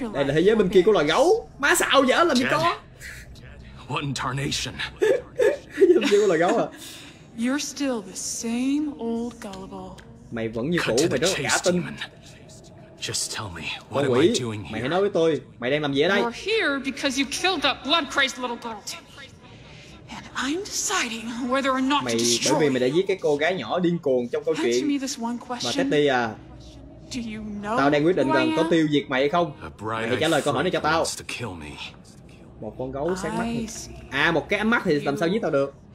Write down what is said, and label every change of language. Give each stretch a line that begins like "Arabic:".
Vietnamese: Đây là thế giới bên kia của loài gấu. Má xạo dở làm gì có.
English: What incarnation?
Vietnamese: Thế giới bên kia của loài gấu à?
English: You're still the same old gullible.
Vietnamese: Mày vẫn như cũ, mày rất là cả tin.
English: Just tell me, what am I doing here?
Vietnamese: Mày hãy nói với tôi, mày đang làm gì ở đây?
English: You're here because you killed that blood-crazed little girl. And I'm deciding whether or not
Vietnamese: mày,
English: to destroy.
Vietnamese: Bởi vì mày đã giết cái cô gái nhỏ điên cuồng trong câu chuyện. Mà Teddy à,
English: do you know
Vietnamese: tao đang quyết định rằng có tiêu diệt mày hay không. Mày hãy trả lời câu hỏi này cho tao. Một con gấu sáng mắt. À, một cái ánh mắt thì làm sao giết tao được.